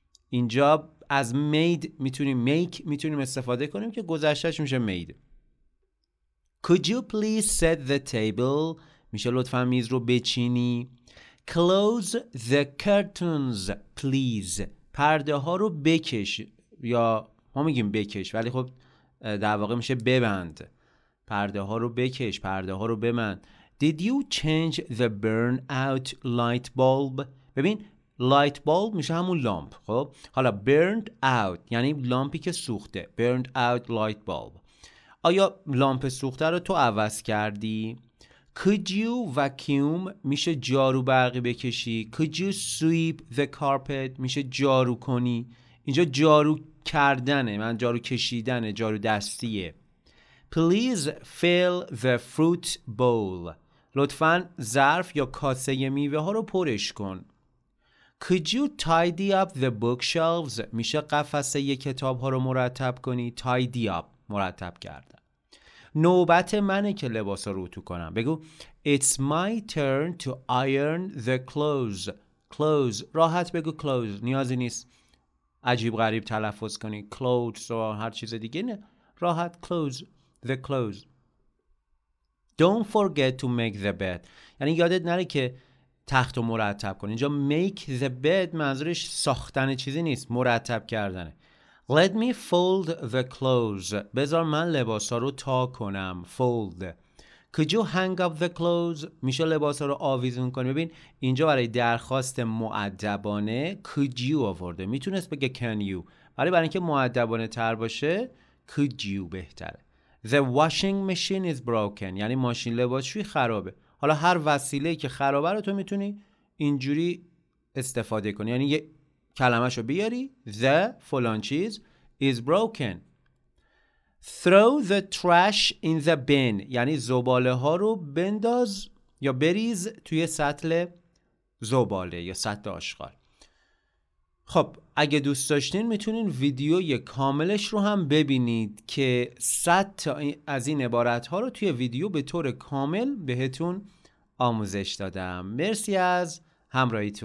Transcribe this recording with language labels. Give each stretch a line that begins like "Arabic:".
Persian: اینجا از make میتونیم استفاده کنیم که گذشتهش میشه made.
English: Could you please set the table؟
Persian: میشه لطفا میز رو بچینی.
English: Close the curtains please.
Persian: پرده ها رو بکش، یا ما میگیم بکش ولی خب در واقع میشه ببند. پرده ها رو بکش، پرده ها رو ببند.
English: Did you change the burn out light bulb؟
Persian: ببین
English: light bulb
Persian: میشه همون لامپ. خب حالا burned out یعنی لامپی که سوخته.
English: Burned out light bulb.
Persian: آیا لامپ سوخته رو تو عوض کردی؟
English: Could you vacuum
Persian: میشه جارو برقی بکشی.
English: Could you sweep the carpet
Persian: میشه جارو کنی. اینجا جارو کردنه، من جارو کشیدنه، جارو دستیه.
English: Please fill the fruit bowl.
Persian: لطفاً ظرف یا کاسه میوه ها رو پرش کن.
English: Could you tidy up the bookshelves؟
Persian: میشه قفسه ی کتاب ها رو مرتب کنی؟
English: Tidy up،
Persian: مرتب کردن. نوبت منه که لباس رو اتو کنم.
English: بگو It's my turn to iron the clothes.
Persian: Clothes، راحت بگو clothes، نیازی نیست عجیب غریب تلفظ کنی. Clothes و هر چیز دیگه نه، راحت clothes، the clothes.
English: Don't forget to make the bed.
Persian: یعنی یادت نره که تخت رو مرتب کنی. اینجا
English: make the bed
Persian: منظورش ساختن چیزی نیست، مرتب کردنه.
English: Let me fold the clothes.
Persian: بذار من لباسا رو تا کنم.
English: Fold. Could you hang up the clothes؟
Persian: میشه لباسا رو آویزون کنی. ببین اینجا برای درخواست مؤدبانه could you آورده. میتونست بگه can you، ولی برای اینکه مؤدبانه تر باشه could you بهتره.
English: The washing machine is broken.
Persian: یعنی ماشین لباسشویی خرابه. حالا هر وسیله که خرابه رو تو میتونی اینجوری استفاده کنی. یعنی یه کلمه شو بیاری.
English: The
Persian: فلان چیز
English: is broken. Throw the trash in the bin.
Persian: یعنی زباله ها رو بنداز یا بریز توی سطل زباله یا سطل آشغال. خب اگه دوست داشتین میتونین ویدیوی کاملش رو هم ببینید که 100 تا از این عبارت ها رو توی ویدیو به طور کامل بهتون آموزش دادم. مرسی از همراهیتون.